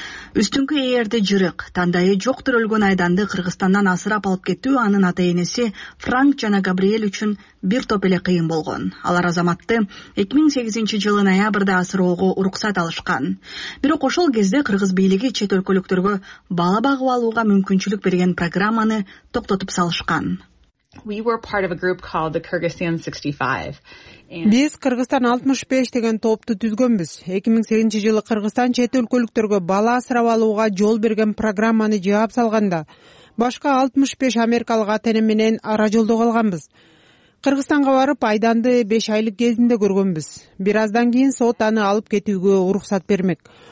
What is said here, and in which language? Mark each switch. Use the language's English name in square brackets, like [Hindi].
[Kyrgyz] Үстүңкү ээрди жырык, тандайы жок төрөлгөн Айданды Кыргызстандан асырап алып кетүү анын ата энеси Франк жана Габриэль үчүн бир топ эле кыйын болгон. Алар Азаматты 2008 жылы ноябрда асыроого уруксат алышкан. Бирок ошол кезде кыргыз бийлиги чет өлкөлүктөргө бала багып алууга мүмкүнчүлүк берген программаны токтотуп салышкан. [English] We were part of a group called the Kyrgyzstan 65. [Kyrgyz] Биз Кыргызстан 65 деген топту түзгөнбүз. 2008 жылы Кыргызстан чет өлкөлүктөргө бала асырап алууга жол берген программаны жаап салганда, башка 65 америкалык атаэне менен ара жолдо калганбыз. Кыргызстанга барып, Айданды 5 айлык кезинде көргөнбүз. Бир аздан кийин сот аны алып кетүүгө уруксат бермек.